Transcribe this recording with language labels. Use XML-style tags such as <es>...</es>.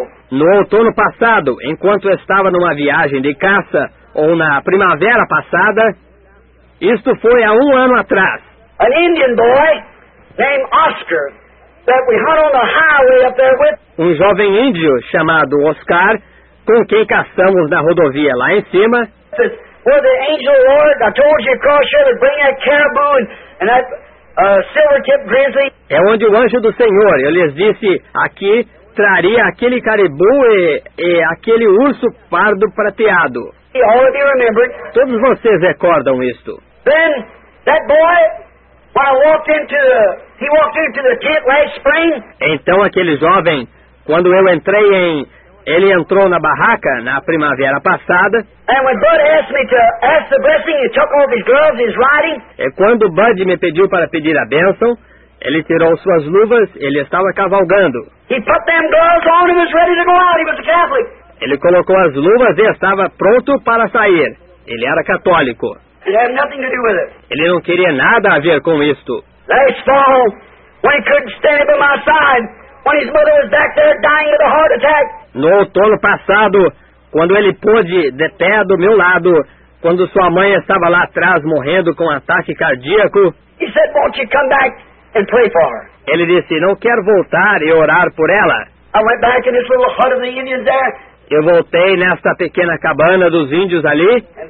<pt>No outono passado, enquanto estava numa viagem de caça, ou na primavera passada, isto foi há um ano atrás.</pt> <en>An Indian boy named Oscar that we hunt on the highway up there with.</en> <pt>Um jovem índio chamado Oscar, com quem caçamos na rodovia lá em cima.</pt> <en>Well, the angel Lord, I told you across here to bring that caribou and that silver-tipped grizzly.</en> <pt>É onde o anjo do Senhor, eu lhes disse aqui, traria aquele caribu e aquele urso pardo prateado.</pt> <en>All of you remember.</en> <pt>Todos vocês recordam isto.</pt> <en>Then that boy, when I walked into the, he walked into the tent last spring.</en> <pt>Então aquele jovem, quando eu entrei em, ele entrou na barraca na primavera passada.</pt> <en>And when Bud asked me to ask the blessing, he took off his gloves, he's riding.</en> <pt>E quando Bud me pediu para pedir a bênção, ele tirou suas luvas, ele estava cavalgando.</pt> <en>He put them gloves on and was ready to go out. He was a Catholic.</en> <pt>Ele colocou as luvas e estava pronto para sair. Ele era católico.</pt> <en>It had nothing to do with it.</en> <pt>Ele não queria nada a ver com isto.</pt> <en>Last fall, when he couldn't stand by my side, when his mother was back there dying of a heart attack.</en> <pt>No outono passado, quando ele pôde de pé do meu lado, quando sua mãe estava lá atrás morrendo com um ataque cardíaco.</pt> <en>He said, "Won't you come back and pray for her?"</en> <pt>Ele disse, "Não quer voltar e orar por ela?"</pt> <en>I went back in this little hut of the Indians there.</en> <pt>Eu voltei nesta pequena cabana dos índios ali.</pt>